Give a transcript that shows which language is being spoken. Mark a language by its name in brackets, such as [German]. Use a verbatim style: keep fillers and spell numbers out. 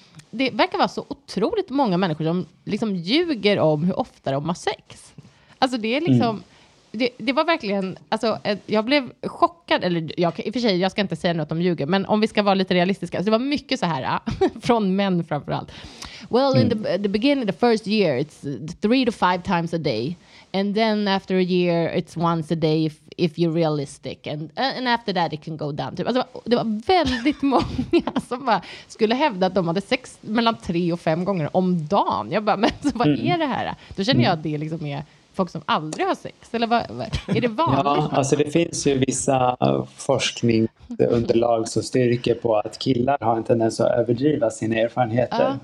[Swedish] Det verkar vara så otroligt många människor som liksom ljuger om hur ofta de har sex. Alltså det är liksom... Mm. Det, det var verkligen, alltså, jag blev chockad, eller jag, i och för sig, jag ska inte säga något om ljuger, men om vi ska vara lite realistiska, alltså, det var mycket så här, från män framförallt. [English] Well, mm. in the, the beginning, the first year, it's three to five times a day. And then after a year, it's once a day if, if you're realistic. And, and after that it can go down. [Swedish] Typ. Alltså, det var väldigt många som bara skulle hävda att de hade sex mellan tre och fem gånger om dagen. Jag bara, men så, vad är det här? Då känner jag att det liksom är folk som aldrig har sex? Eller vad, vad, är det vanligt? Ja, alltså det finns ju vissa forskningsunderlag som styrker på att killar har en tendens att överdriva sina erfarenheter uh.